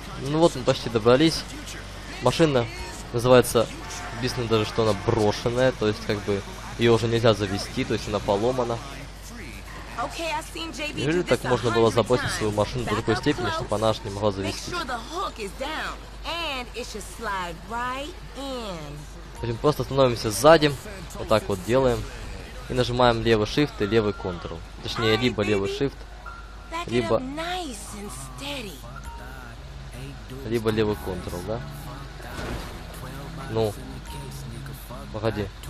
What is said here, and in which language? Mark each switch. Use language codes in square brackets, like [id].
[ru] Ну вот, мы почти добрались. Машина называется, объясню даже, что она брошенная, то есть как бы ее уже нельзя завести, то есть она поломана. [en] Okay, I've seen JB. [ru] Неужели так можно было заботить свою машину до такой степени, чтобы она аж не могла завести? [en] Make sure the hook is down, and it should slide right in. [ru] В общем, просто становимся сзади, вот так вот делаем, и нажимаем левый shift и левый control. Точнее, либо левый shift, либо левый control, да? Ну, погоди.